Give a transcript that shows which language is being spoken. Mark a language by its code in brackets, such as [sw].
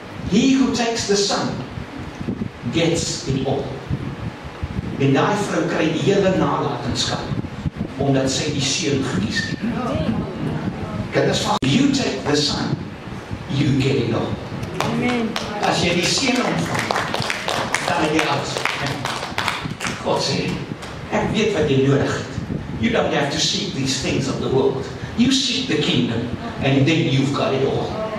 [en] He who takes the son, gets it all. [af] En daar vrou krij die hele nalatenskap, omdat sy die seun gekies het. Kinders van, [en] you take the son, you get it all. Amen. [af] As jy die seun ontvang, dan het jy alles. God sê, ek weet wat jy nodig het. [en] You don't have to seek these things of the world. You seek the kingdom, and then you've got it all.